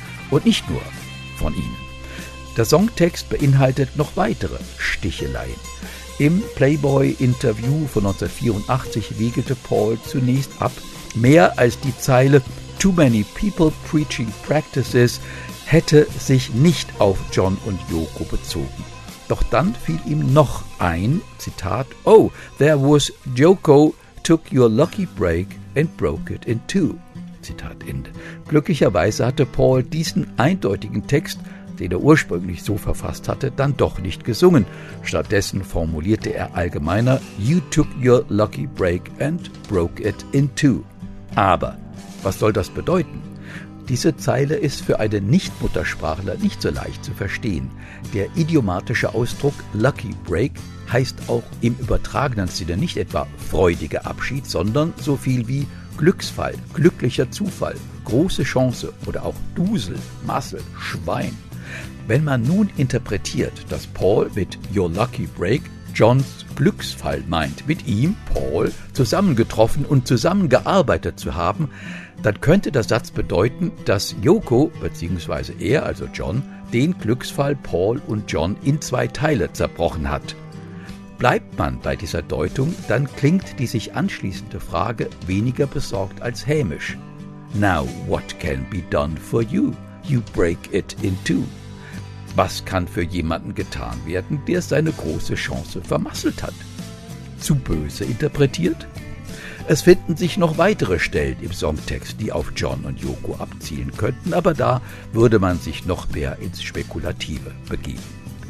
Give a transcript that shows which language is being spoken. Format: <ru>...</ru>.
<de>Und nicht nur von ihnen. Der Songtext beinhaltet noch weitere Sticheleien. Im Playboy-Interview von 1984 wiegelte Paul zunächst ab, mehr als die Zeile</de> <en>Too many people preaching practices</en> <de>hätte sich nicht auf John und Yoko bezogen. Doch dann fiel ihm noch ein, Zitat,</de> <en>Oh, there was Yoko took your lucky break and broke it in two.</en> <de>Zitat Ende. Glücklicherweise hatte Paul diesen eindeutigen Text, den er ursprünglich so verfasst hatte, dann doch nicht gesungen. Stattdessen formulierte er allgemeiner,</de> <en>You took your lucky break and broke it in two.</en> <de>Aber was soll das bedeuten? Diese Zeile ist für einen Nicht-Muttersprachler nicht so leicht zu verstehen. Der idiomatische Ausdruck Lucky Break heißt auch im übertragenen Sinne nicht etwa freudiger Abschied, sondern so viel wie Glücksfall, glücklicher Zufall, große Chance oder auch Dusel, Massel, Schwein. Wenn man nun interpretiert, dass Paul mit Your Lucky Break Johns Glücksfall meint, mit ihm, Paul, zusammengetroffen und zusammengearbeitet zu haben, dann könnte der Satz bedeuten, dass Yoko bzw. er, also John, den Glücksfall Paul und John in 2 Teile zerbrochen hat. Bleibt man bei dieser Deutung, dann klingt die sich anschließende Frage weniger besorgt als hämisch.</de> <en>Now what can be done for you? You break it in two.</en> <de>Was kann für jemanden getan werden, der seine große Chance vermasselt hat? Zu böse interpretiert? Es finden sich noch weitere Stellen im Songtext, die auf John und Yoko abzielen könnten, aber da würde man sich noch mehr ins Spekulative begeben.</de>